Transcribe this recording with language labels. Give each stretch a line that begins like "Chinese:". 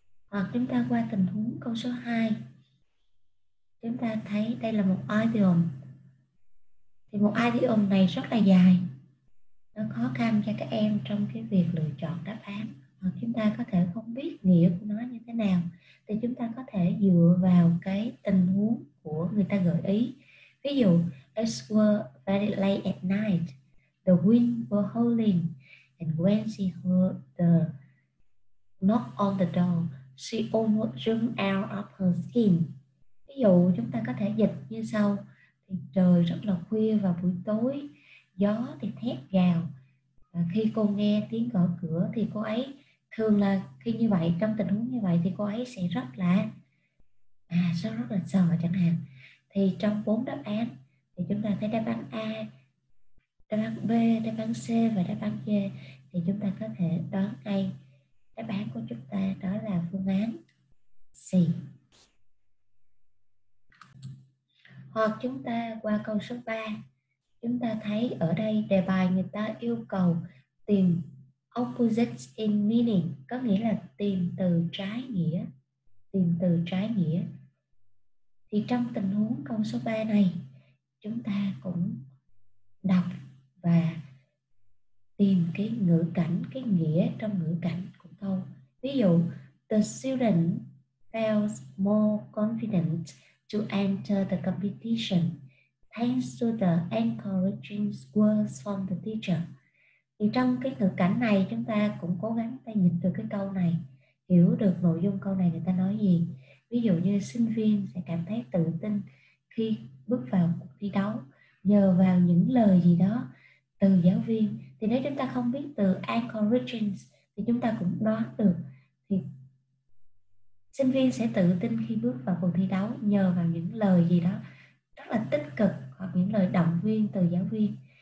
Vietnamese: Hoặc chúng ta qua tình huống câu số 2, chúng ta thấy đây là một idiom. Thì một idiom này rất là dài, nó khó khăn cho các em trong cái việc lựa chọn đáp án, hoặc chúng ta có thể không biết nghĩa của nó như thế nào, thì chúng ta có thể dựa vào cái tình huống của người ta gợi ý. Ví dụ,
English: it was very late at night. The wind was howling, and when she heard the knock on the door, she almost jumped out of her skin.
Vietnamese: Ví dụ chúng ta có thể dịch như sau: thì trời rất là khuya vào buổi tối, gió thì thét gào, và khi cô nghe tiếng gõ cửa thì cô ấy thường là khi như vậy, trong tình huống như vậy thì cô ấy sẽ rất là sẽ rất là sợ chẳng hạn. Thì trong bốn đáp án thì chúng ta thấy đáp án A, đáp án B, đáp án C và đáp án D, thì chúng ta có thể đoán ngay đáp án của chúng ta đó là phương án C. Hoặc chúng ta qua câu số 3, chúng ta thấy ở đây đề bài người ta yêu cầu tìm
English: opposite in meaning,
Vietnamese: có nghĩa là tìm từ trái nghĩa, tìm từ trái nghĩa. Thì trong tình huống câu số 3 này, chúng ta cũng đọc và tìm cái ngữ cảnh, cái nghĩa trong ngữ cảnh của câu. Ví dụ,
English: the student felt more confident to enter the competition thanks to the encouraging words from the teacher.
Vietnamese: Thì trong cái ngữ cảnh này, chúng ta cũng cố gắng ta nhìn từ cái câu này, hiểu được nội dung câu này người ta nói gì. Ví dụ như sinh viên sẽ cảm thấy tự tin khi bước vào cuộc thi đấu nhờ vào những lời gì đó từ giáo viên. Thì nếu chúng ta không biết từ encouraging thì chúng ta cũng đoán được, thì sinh viên sẽ tự tin khi bước vào cuộc thi đấu nhờ vào những lời gì đó rất là tích cực hoặc những lời động viên từ giáo viên.